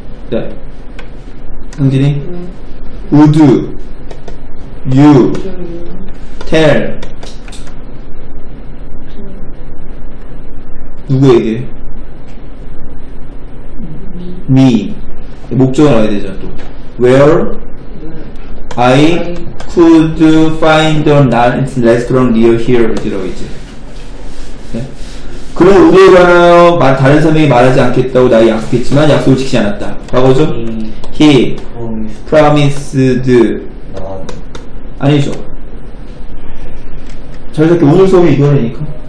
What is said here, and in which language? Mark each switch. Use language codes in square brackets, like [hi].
[ko] 자, 상진이 [en] Would you tell [ko] 누구에게? [en] Me. [ko] 목적을 알아야 되잖아 또. [en] Where I could find a nice restaurant near here. [ko] 이러고 있지. 네? 그런 우리에 관하여 다른 사람에게 말하지 않겠다고 나의 약속했지만 약속을 지키지 않았다. 과거죠? [en] He promised. [ko] 아니죠. 자연스럽게 오늘 수업이 이거라니까.